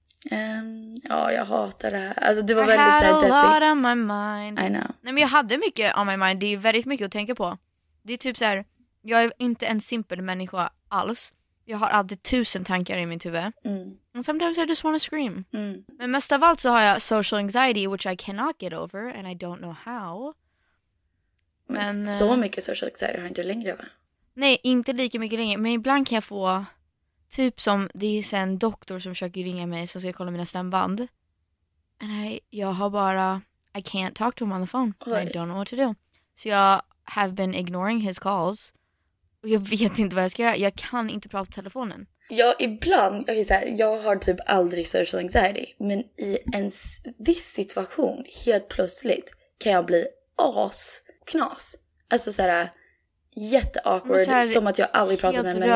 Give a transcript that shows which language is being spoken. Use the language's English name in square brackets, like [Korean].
[Swedish] Jag hatar det här. Alltså du var väldigt såhär deppig. [English] I had a lot on my mind. I know. [Swedish] Nej, men jag hade mycket [English] on my mind. [Swedish] Det är väldigt mycket att tänka på. Det är typ såhär, jag är inte en simpel människa alls. Jag har alltid 1000 tankar i min huvud. Mm. [English] And sometimes I just want to scream. Mm. [Swedish] Men mest av allt så har jag [English] social anxiety, which I cannot get over, and I don't know how. [Swedish] Men så mycket social anxiety har inte längre, va? Nej, inte lika mycket längre. Men ibland kan jag få, typ som, det är en doktor som försöker ringa mig som ska kolla mina stämband. [English] And [Swedish] jag har bara, [English] I can't talk to him on the phone. I don't know what to do. So jag have been ignoring his calls. [Swedish] Och jag vet inte vad jag ska göra. Jag kan inte prata på telefonen. Ja, ibland. Okay, så här, jag har typ aldrig social anxiety. Men i en viss situation, helt plötsligt, kan jag bli asknas. Alltså så här, jätteawkward. Som att jag aldrig pratar med en människa.